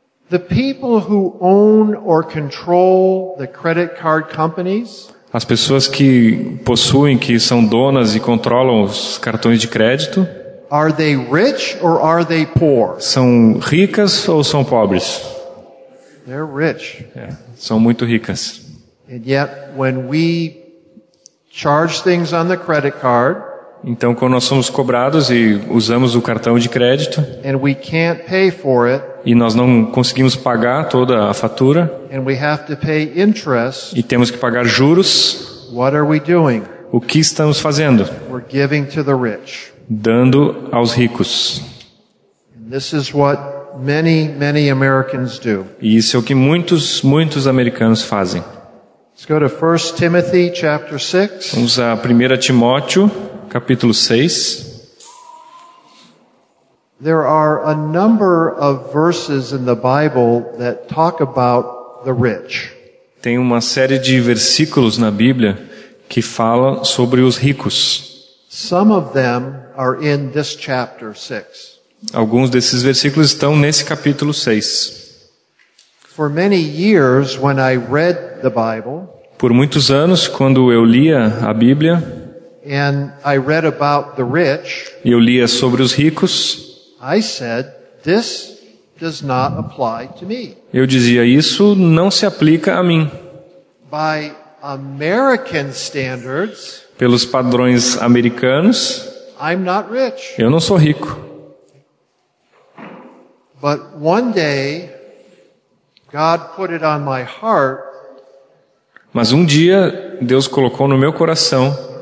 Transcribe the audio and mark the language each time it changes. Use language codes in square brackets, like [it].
[en] The people who own or control the credit card companies, [pt] as pessoas que possuem, que são donas e controlam os cartões de crédito, [en] are they rich or are they poor? [pt] São ricas ou são pobres? [en] They're rich. [pt] São muito ricas. [en] And yet, when we charge things on the credit card, [pt] então, quando nós somos cobrados e usamos o cartão de crédito, [en] and we can't pay for it, [pt] e nós não conseguimos pagar toda a fatura, [en] and we have to pay interest, [pt] e temos que pagar juros, [en] what are we doing? [pt] O que estamos fazendo? [en] We're giving to the rich. [pt] Dando aos ricos. [en] This is what many, many Americans do. [pt] E isso é o que muitos, muitos americanos fazem. [en] Let's go to 1 Timothy, chapter 6. [pt] Vamos a 1 Timóteo. Capítulo 6. [en] There are a number of verses in the Bible that talk about the rich. [pt] Tem uma série de versículos na Bíblia que fala sobre os ricos. [en] Some of them are in this chapter 6. [pt] Alguns desses versículos estão nesse capítulo 6. [en] For many years, when I read the Bible, [pt] por muitos anos, quando eu lia a Bíblia, [en] and I read about the rich, [pt] eu lia sobre os ricos, [en] I said, this does not apply to me. [pt] Eu dizia, isso não se aplica a mim. [en] By American standards, [pt] pelos padrões americanos, [en] I'm not rich. [pt] Eu não sou rico. [en] But one day, God put it on my heart. [pt] Mas um dia Deus colocou no meu coração.